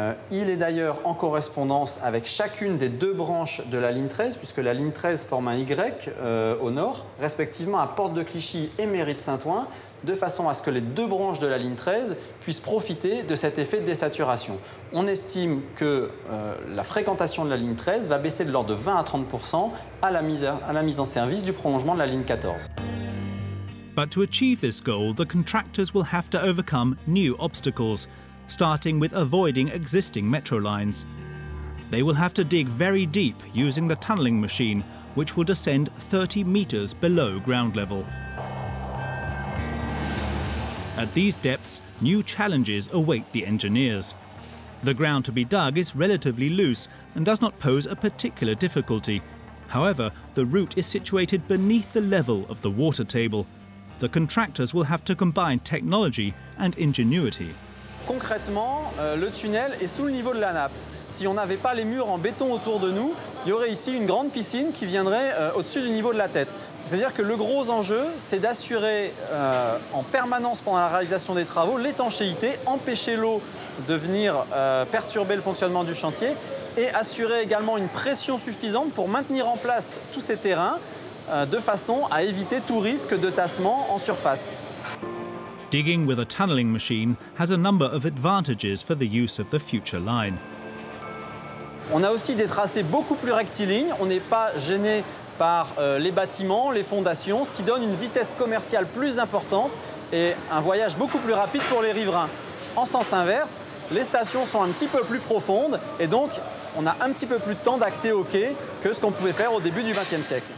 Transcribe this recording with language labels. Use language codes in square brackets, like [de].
[fr] Il est d'ailleurs en correspondance avec chacune des deux branches de la ligne 13, puisque la ligne 13 forme un Y au nord, respectivement à Porte de Clichy et Mairie de Saint-Ouen, de façon à ce que les deux branches de la ligne 13 puissent profiter de cet effet de désaturation. On estime que la fréquentation de la ligne 13 va baisser de l'ordre de 20 à 30% à la mise en service du prolongement de la ligne 14. [en] But to achieve this goal, the contractors will have to overcome new obstacles, starting with avoiding existing metro lines. They will have to dig very deep using the tunneling machine, which will descend 30 meters below ground level. At these depths, new challenges await the engineers. The ground to be dug is relatively loose and does not pose a particular difficulty. However, the route is situated beneath the level of the water table. The contractors will have to combine technology and ingenuity. [fr] Concrètement, le tunnel est sous le niveau de la nappe. Si on n'avait pas les murs en béton autour de nous, il y aurait ici une grande piscine qui viendrait au-dessus du niveau de la tête. C'est-à-dire que le gros enjeu, c'est d'assurer en permanence pendant la réalisation des travaux l'étanchéité, empêcher l'eau de venir perturber le fonctionnement du chantier et assurer également une pression suffisante pour maintenir en place tous ces terrains de façon à éviter tout risque de tassement en surface. [en] Digging with a tunneling machine has a number of advantages for the use of the future line. [fr] On a aussi des tracés beaucoup plus rectilignes, on n'est pas gêné par les bâtiments, les fondations, ce qui donne une vitesse commerciale plus importante et un voyage beaucoup plus rapide pour les riverains. En sens inverse, les stations sont un petit peu plus profondes et donc on a un petit peu plus de temps d'accès au quai que ce qu'on pouvait faire au début du XXe siècle.